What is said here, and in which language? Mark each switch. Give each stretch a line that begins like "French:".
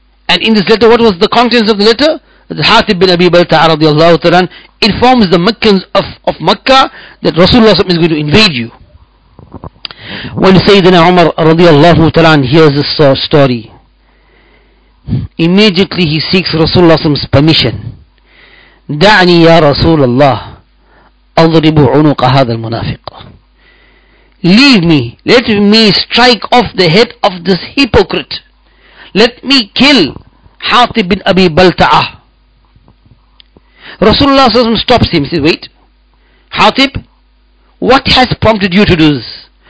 English: And in this letter, what was the contents of the letter? The Hatib bin Abi Balta'a radiallahu ta'ala informs the Meccans of Makkah that Rasulullah is going to invade you. When Sayyidina Umar radiallahu ta'ala hears this story, immediately he seeks Rasulullah's permission.
Arabic: دعني يا رسول الله أضرب عنق هذا المنافق.
English: Leave me, let me strike off the head of this hypocrite. Let me kill Hatib bin Abi Balta'a. Rasulullah SAW stops him, says, wait, Hatib, what has prompted you to do this?